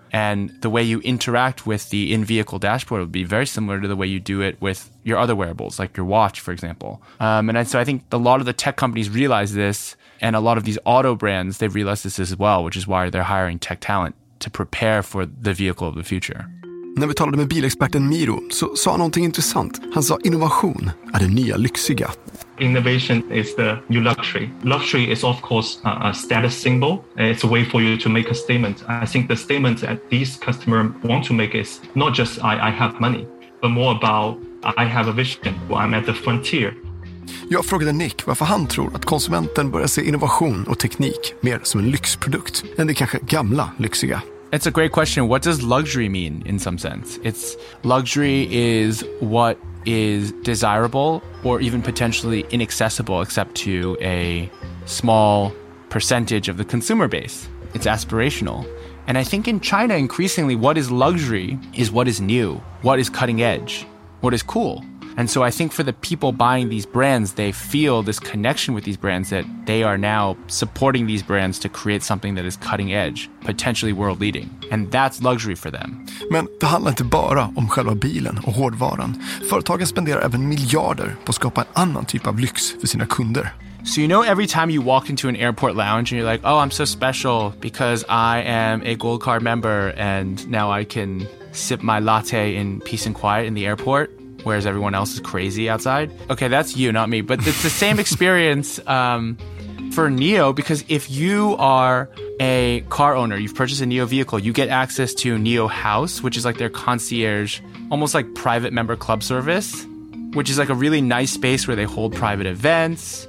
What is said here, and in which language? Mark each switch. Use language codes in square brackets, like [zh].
[en] And the way you interact with the in-vehicle dashboard will be very similar to the way you do it with your other wearables, like your watch, for example. So I think a lot of the tech companies realize this, and a lot of these auto brands, they've realized this as well, which is why they're hiring tech talent to prepare for the vehicle of the future. [sv] När vi talade med bilexperten Miro så sa han någonting intressant. Han sa innovation är det nya lyxiga. [en] Innovation is the new luxury. Luxury is of course a status symbol. It's a way for you to make a statement. I think the statement that these customers want to make is not just I have money, but more about I have a vision. I'm at the frontier. [sv] Jag frågade Nick varför han tror att konsumenten börjar se innovation och teknik mer som en lyxprodukt än det kanske gamla lyxiga. [en] It's a great question. What does luxury mean in some sense? It's luxury is what is desirable or even potentially inaccessible except to a small percentage of the consumer base. It's aspirational. And I think in China, increasingly, what is luxury is what is new, what is cutting edge, what is cool. And so I think for the people buying these brands, they feel this connection with these brands that they are now supporting these brands to create something that is cutting edge, potentially world leading. And that's luxury for them. [sv] Men det handlar inte bara om själva bilen och hårdvaran. Företagen spenderar även miljarder på att skapa en annan typ av lyx för sina kunder. [en] So you know every time you walk into an airport lounge and you're like, oh, I'm so special because I am a gold card member and now I can sip my latte in peace and quiet in the airport. Whereas everyone else is crazy outside. Okay, that's you, not me. But it's the same experience for NIO, because if you are a car owner, you've purchased a NIO vehicle, you get access to NIO House, which is like their concierge, almost like private member club service, which is like a really nice space where they hold private events.